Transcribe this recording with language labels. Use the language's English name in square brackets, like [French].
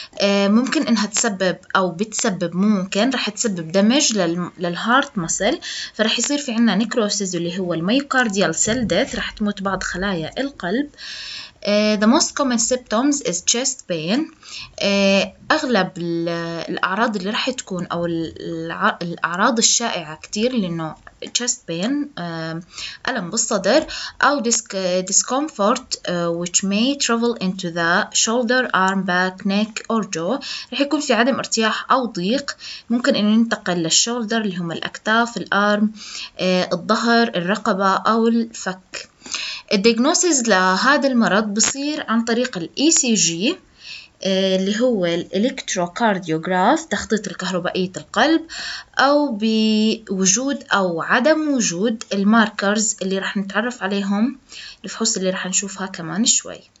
[Arabic] ممكن انها تسبب او بتسبب ممكن رح تسبب دمج للهارت مسل، فرح يصير في عنا نيكروسيز اللي هو الميوكارديال سيل ديث، رح تموت بعض خلايا القلب. [English] The most common symptoms is chest pain. [Arabic] أغلب الأعراض اللي رح تكون أو الأعراض الشائعة كتير لأنه chest pain، ألم بالصدر أو [English] discomfort which may travel into the shoulder, arm, back, neck or jaw. [Arabic] رح يكون في عدم ارتياح أو ضيق، ممكن أن ينتقل للشولدر اللي هم الأكتاف، الأرم، الظهر، الرقبة أو الفك. الدياجنوسيز لهذا المرض بصير عن طريق الاي سي جي اللي هو الالكتروكارديوغراف، تخطيط الكهربائية القلب، او بوجود او عدم وجود الماركرز اللي رح نتعرف عليهم الفحوص اللي رح نشوفها كمان شوي.